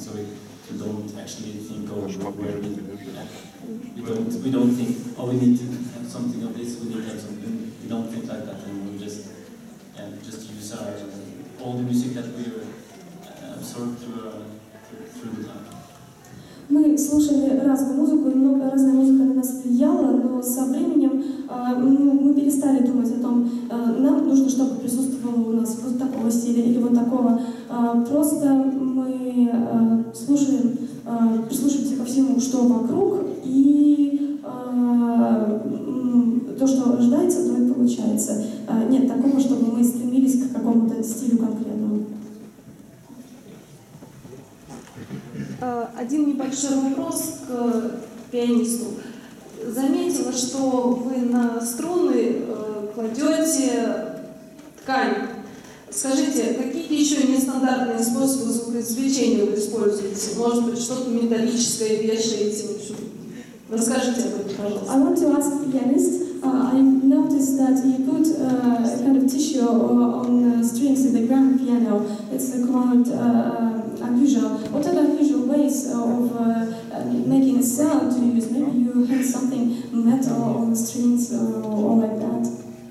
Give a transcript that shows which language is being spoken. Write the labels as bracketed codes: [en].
[en] So we don't actually think of where we don't think, oh, we need to have something of this, we need to have something. We don't think like that, and we just use our all the music that we absorb through the time. [ru] Мы слушали разную музыку, много разной музыки на нас влияла, но со временем мы перестали думать о том, нам нужно, чтобы присутствовало у нас вот такого стиля или вот такого. Просто мы слушаем, прислушиваемся ко всему, что вокруг, и то, что рождается, то и получается. Нет такого, чтобы мы стремились к какому-то стилю конкретному. Один небольшой вопрос к пианисту. Заметила, что вы на струны кладете ткань. Скажите, какие еще нестандартные способы звукоизвлечения вы используете? Может быть, что-то металлическое вешаете? Расскажите об этом, пожалуйста. [en] I want to ask the pianist. I noticed that you put a kind of tissue on the strings in the grand piano. It's called unusual. What are the unusual ways of making a sound to use? Maybe you have something metal on the strings or like that?